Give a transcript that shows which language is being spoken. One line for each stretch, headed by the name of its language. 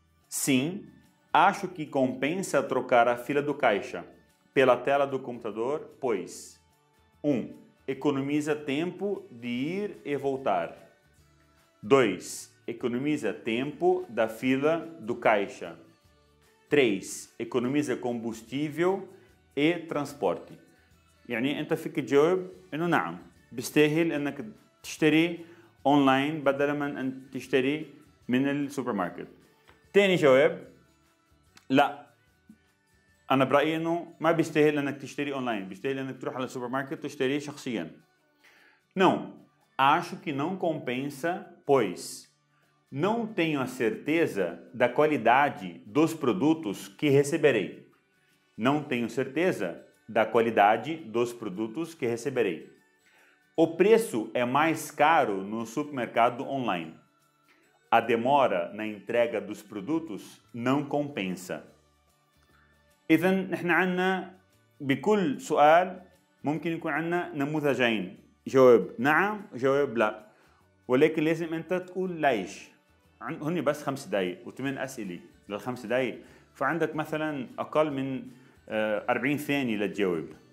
Portuguese: Sim, acho que compensa trocar a fila do caixa pela tela do computador, pois 1. Economiza tempo de ir e voltar. 2. Economiza tempo da fila do caixa. 3. Economiza combustível e transporte.
Arabic: يعني انت فيك تجاوب انه نعم بيستاهل انك تشتري اونلاين بدلا من ان تشتري من السوبر ماركت. تاني جواب لا، انا برايي انه ما بيستاهل انك تشتري اونلاين، بيستاهل انك تروح على السوبر ماركت تشتري شخصيا.
Portuguese: Não, acho que não compensa, pois não tenho a certeza da qualidade dos produtos que receberei. Não tenho certeza da qualidade dos produtos que receberei. O preço é mais caro no supermercado online. A demora na entrega dos produtos não compensa.
Arabic: إذن نحن عنا بكل سؤال ممكن يكون عنا نموذجين، جواب نعم جواب لا، ولكن لازم أنت تقول ليش. هني بس خمس دقائق وثمان أسئلة للخمس دقائق، فعندك مثلا أقل من 40 ثانية للجواب.